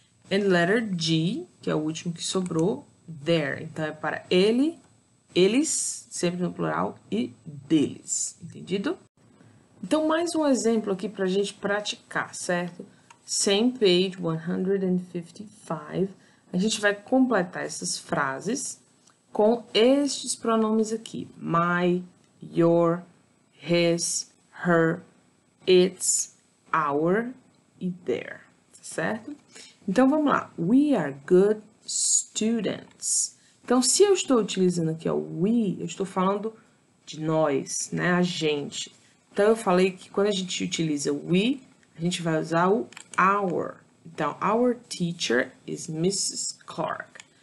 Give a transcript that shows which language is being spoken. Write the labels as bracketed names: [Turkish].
[English] And letter G, [Portuguese] que é o último que sobrou, there, então é para ele, eles, sempre no plural, e deles, entendido? Então, mais um exemplo aqui para a gente praticar, certo? [English] Same page, [Portuguese] 155. A gente vai completar essas frases com estes pronomes aqui. [English] My, your, his, her, its, our e their, certo? [Portuguese] Então, vamos lá. [English] We are good students. [Portuguese] Então, se eu estou utilizando aqui o we, eu estou falando de nós, né? A gente. Então, eu falei que quando a gente utiliza we, a gente vai usar o our. [English] Então, our teacher is Mrs. Clark.